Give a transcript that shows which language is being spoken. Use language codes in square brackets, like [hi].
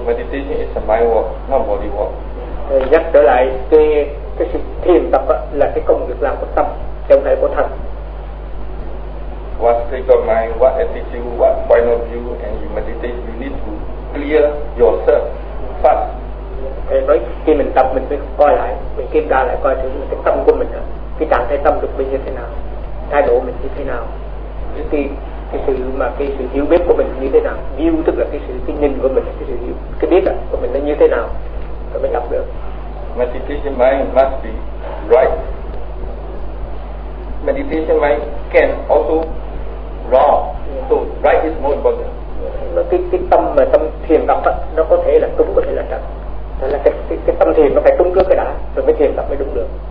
[en] sitting is a mind work, not body work. [vi] Nhắc trở lại cái sự thiền tập là cái công việc làm của tâm, trong này của thân. [en] What state of mind, what attitude, what point of view, and you meditate, you need to clear yourself first. [vi] Nói khi mình tập mình phải coi lại, mình kiểm tra lại coi thử cái tâm của mình, cái trạng thái tâm được mình như thế nào, thái độ mình như thế nào, cái sự hiểu biết của mình như thế nào, view tức là cái nhìn của mình, cái sự hiểu, cái biết của mình nó như thế nào, rồi mình tập được. [en] Meditation mind must be right. Meditation mind can also wrong. So right is more important. [vi] Cái tâm mà tâm thiền tập á, nó có thể là đúng, có thể là chậm. Thế là cái tâm thiền nó phải đúng trước cái đã, rồi mới thiền tập mới đúng được.